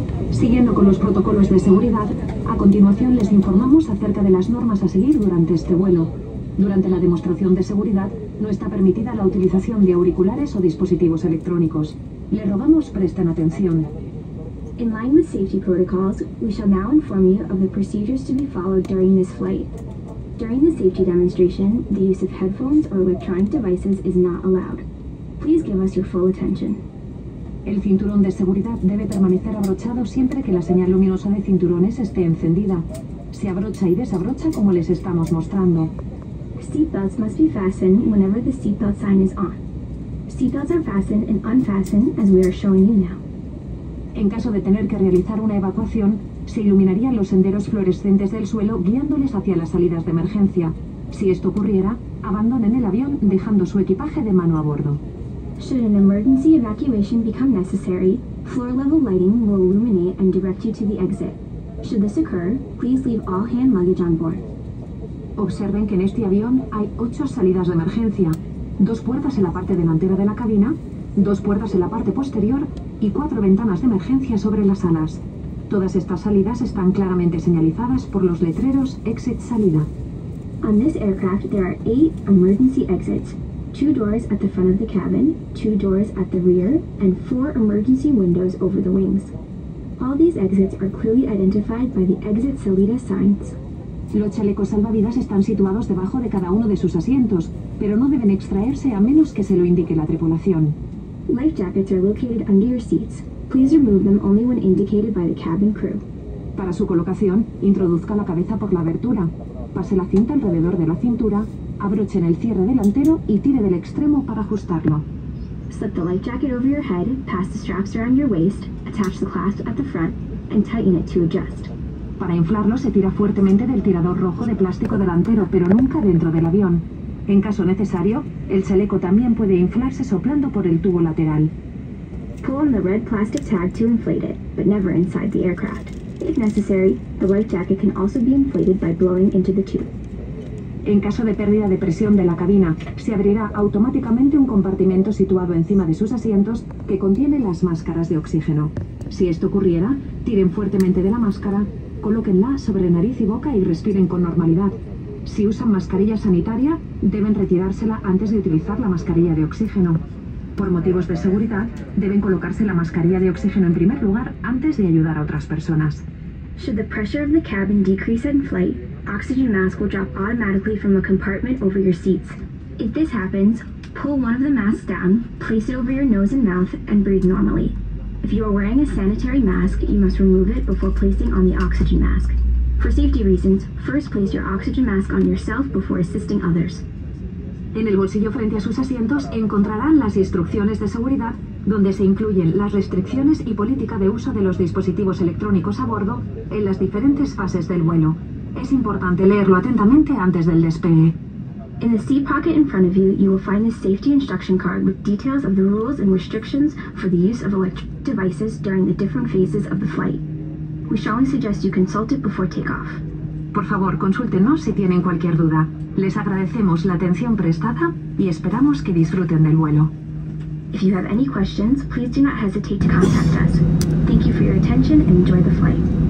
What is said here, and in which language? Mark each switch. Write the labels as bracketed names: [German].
[Spanish] Siguiendo con los protocolos de seguridad, a continuación les informamos acerca de las normas a seguir durante este vuelo. Durante la demostración de seguridad, no está permitida la utilización de auriculares o dispositivos electrónicos. Le rogamos presten atención. [English] In line with safety protocols, we shall now inform you of the procedures to be followed during this flight. During the safety demonstration, the use of headphones or electronic devices is not allowed. Please give us your full attention. [Spanish] El cinturón de seguridad debe permanecer abrochado siempre que la señal luminosa de cinturones esté encendida. Se abrocha y desabrocha como les estamos mostrando. [English] Seatbelts must be fastened whenever the seatbelt sign is on. Seatbelts are fastened and unfastened as we are showing you now. [Spanish] En caso de tener que realizar una evacuación, se iluminarían los senderos fluorescentes del suelo guiándoles hacia las salidas de emergencia. Si esto ocurriera, abandonen el avión dejando su equipaje de mano a bordo. [English] Should an emergency evacuation become necessary, floor-level lighting will illuminate and direct you to the exit. Should this occur, please leave all hand luggage on board. [Spanish] Observen que en este avión hay 8 salidas de emergencia, 2 puertas en la parte delantera de la cabina, 2 puertas en la parte posterior y 4 ventanas de emergencia sobre las alas. Todas estas salidas están claramente señalizadas por los letreros exit-salida. [English] On this aircraft there are 8 emergency exits. 2 doors at the front of the cabin, 2 doors at the rear, and 4 emergency windows over the wings. All these exits are clearly identified by the exit salida signs. [Spanish] Los chalecos salvavidas están situados debajo de cada uno de sus asientos, pero no deben extraerse a menos que se lo indique la tripulación. [English] Life jackets are located under your seats. Please remove them only when indicated by the cabin crew. [Spanish] Para su colocación, introduzca la cabeza por la abertura. Pase la cinta alrededor de la cintura. Abrochen el cierre delantero y tire del extremo para ajustarlo. [English] Slip the life jacket over your head, pass the straps around your waist, attach the clasp at the front, and tighten it to adjust. [Spanish] Para inflarlo se tira fuertemente del tirador rojo de plástico delantero, pero nunca dentro del avión. En caso necesario, el chaleco también puede inflarse soplando por el tubo lateral. [English] Pull on the red plastic tag to inflate it, but never inside the aircraft. If necessary, the life jacket can also be inflated by blowing into the tube. [Spanish] En caso de pérdida de presión de la cabina, se abrirá automáticamente un compartimento situado encima de sus asientos que contiene las máscaras de oxígeno. Si esto ocurriera, tiren fuertemente de la máscara, colóquenla sobre nariz y boca y respiren con normalidad. Si usan mascarilla sanitaria, deben retirársela antes de utilizar la mascarilla de oxígeno. Por motivos de seguridad, deben colocarse la mascarilla de oxígeno en primer lugar antes de ayudar a otras personas. [English] Should the pressure of the cabin decrease in flight, oxygen masks will drop automatically from a compartment over your seats. If this happens, pull one of the masks down, place it over your nose and mouth, and breathe normally. If you are wearing a sanitary mask, you must remove it before placing on the oxygen mask. For safety reasons, first place your oxygen mask on yourself before assisting others. [Spanish] En el bolsillo frente a sus asientos encontrarán las instrucciones de seguridad, donde se incluyen las restricciones y política de uso de los dispositivos electrónicos a bordo en las diferentes fases del vuelo. Es importante leerlo atentamente antes del despegue. [English] In the seat pocket in front of you, you will find the safety instruction card with details of the rules and restrictions for the use of electronic devices during the different phases of the flight. We strongly suggest you consult it before takeoff. [Spanish] Por favor, consúltenos si tienen cualquier duda. Les agradecemos la atención prestada y esperamos que disfruten del vuelo. [English] If you have any questions, please do not hesitate to contact us. Thank you for your attention and enjoy the flight.